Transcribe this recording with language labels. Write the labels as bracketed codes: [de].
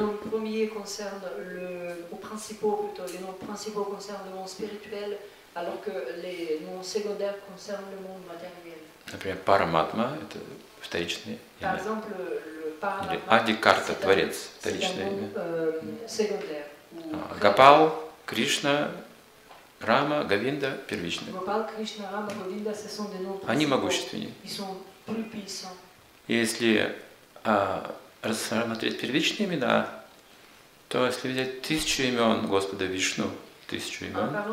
[ru] Например, Параматма – это вторичное имя. [fr] Par exemple, [ru] или Адикарта, творец, вторичное имя. [fr] Secondaire. [ru] Гопал, Кришна, Рама, Говинда – первичные. [fr] Gopal, Krishna, Rama, Govinda, ce sont des noms [ru] они могущественнее. [fr] Ils sont plus puissants. [ru] Если рассмотреть первичные имена, то если взять тысячу имен Господа Вишну, тысячу имен.